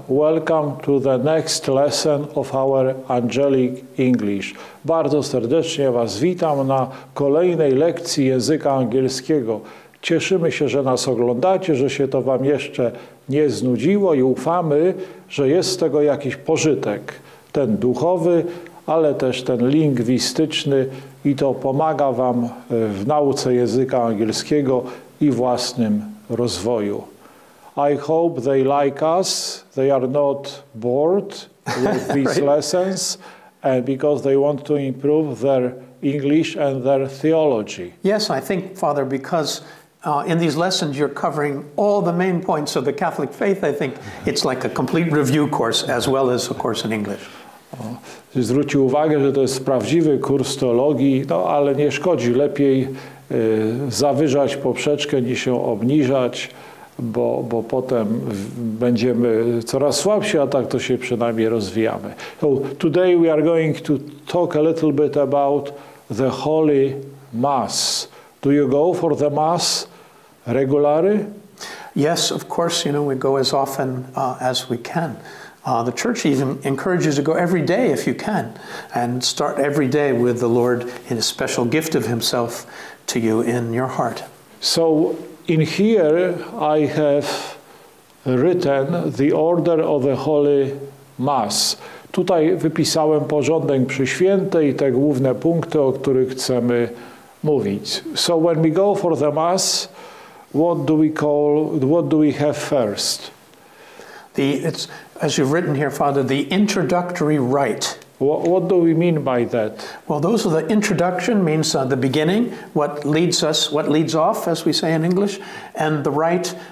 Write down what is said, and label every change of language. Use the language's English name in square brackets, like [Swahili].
[English] Welcome to the next lesson of our Angelic English. [Polish] Bardzo serdecznie Was witam na kolejnej lekcji języka angielskiego. Cieszymy się, że nas oglądacie, że się to Wam jeszcze nie znudziło i ufamy, że jest z tego jakiś pożytek, ten duchowy, ale też ten lingwistyczny i to pomaga Wam w nauce języka angielskiego i własnym rozwoju. [English] I hope they like us. They are not bored with these right. lessons and because they want to improve their English and their theology. Yes, I think, Father, because in these lessons you're covering all the main points of the Catholic faith, I think it's like a complete review course as well as a course in English. [Polish] Zwrócił uwagę, że to jest prawdziwy kurs teologii, no ale nie szkodzi, lepiej zawyżać poprzeczkę, niż się obniżać, bo potem będziemy coraz słabsi, a tak to się przynajmniej rozwijamy. [English] So today we are going to talk a little bit about the Holy Mass. Do you go for the Mass regularly? Yes, of course, you know, we go as often as we can. The church even encourages you to go every day if you can and start every day with the Lord in a special gift of himself to you in your heart. So in here I have written the order of the Holy Mass. [Polish] Tutaj wypisałem porządek przy świętej i te główne punkty, o których chcemy mówić. [English] So when we go for the Mass, what do we have first? As you've written here, Father, the introductory rite. What do we mean by that? Well, those are the introduction, means the beginning, what leads us, what leads off, as we say in English, and the rite.